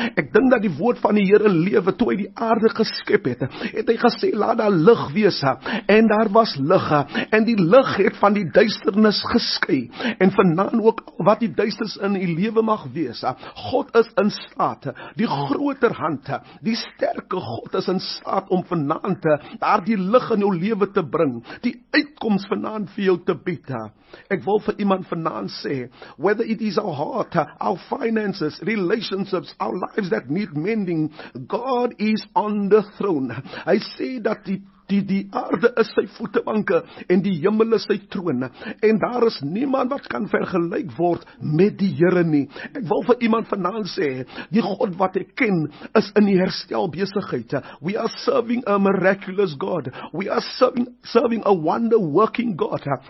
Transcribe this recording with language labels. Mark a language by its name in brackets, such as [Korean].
[Afrikaans] Ek dink dat die woord van die Here lewe, toe hy die aarde geskep het, het hy gesê, laat daar lig wees, en daar was lig, en die lig het van die duisternis geskei, en vanaand ook wat die duisternis in die lewe mag wees, God is in staat, die groter hand, die sterke God is in staat om vanaand daar die lig in jou lewe te bring, die uitkoms vanaand vir jou te bied. Ek wil vir iemand vanaand sê, [English] whether it is our heart, our finances, relationships, our lives that need mending, God is on the throne. I say that [Afrikaans] die aarde is sy voetebanke en die hemel is sy troon, en daar is niemand wat kan vergelyk word met die Here nie. Ek wil vir iemand vanaand sê, die God wat ek ken is in die herstelbesigheid. [English] We are serving a miraculous God. We are serving a wonder working God.